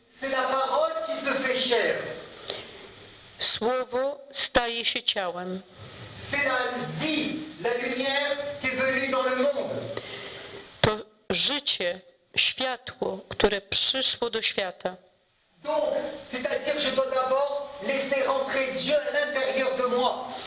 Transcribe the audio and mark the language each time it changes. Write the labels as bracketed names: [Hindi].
[French] C'est la parole qui se fait chair. [Polish] Słowo staje się ciałem. [French] C'est la vie, la lumière qui est venue dans le monde. [Polish] To życie, światło, które przyszło do świata. [French] Donc, c'est-à-dire, je dois d'abord laisser rentrer Dieu à l'intérieur de moi.